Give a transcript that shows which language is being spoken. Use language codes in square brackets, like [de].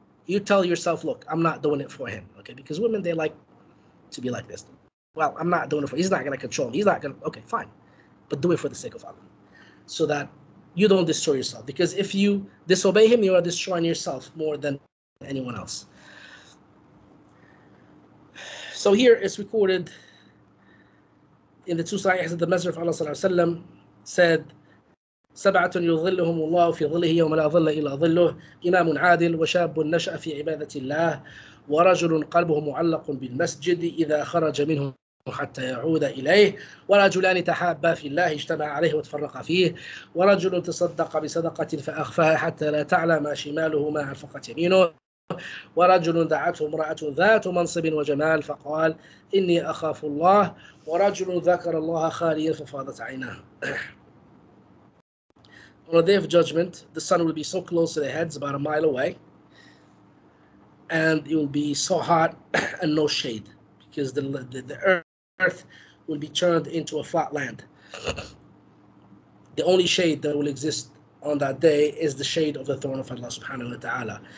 [en] You tell yourself, look, I'm not doing it for him. Okay, because women, they like to be like this. Well, I'm not doing it for him. He's not going to control me. He's not going to. Okay, fine. But do it for the sake of Allah so that you don't destroy yourself. Because if you disobey him, you are destroying yourself more than anyone else. So here it's recorded in the two sahihs that the Messenger of Allah sallallahu alaihi wasallam said, [ar] سَبْعَةٌ يُظِلُّهُمُ اللَّهُ فِي ظِلِّهِ يَوْمَ لَا ظِلَّ إِلَّا ظِلُّهُ إِمَامٌ عَادِلٌ وَشَابٌ نَشَأَ فِي عِبَادَةِ اللَّهِ وَرَجُلٌ قَلْبُهُ مُعَلَّقٌ بِالْمَسْجِدِ إِذَا خَرَجَ مِنْهُ حتى يعود إليه ورجلان تحابا في الله اجتمع عليه وتفرق فيه ورجل تصدق بصدقة فأخفاها حتى لا تعلم شماله ما أنفقت يمينه ورجل دعته امرأة ذات منصب وجمال فقال إني أخاف الله ورجل ذكر الله خاليا ففاضت عيناه. [en] On a day of judgment, the sun will be so close to the heads, about a mile away, and it will be so hot and no shade, because the earth will be turned into a flat land. The only shade that will exist on that day is the shade of the throne of Allah subhanahu wa ta'ala.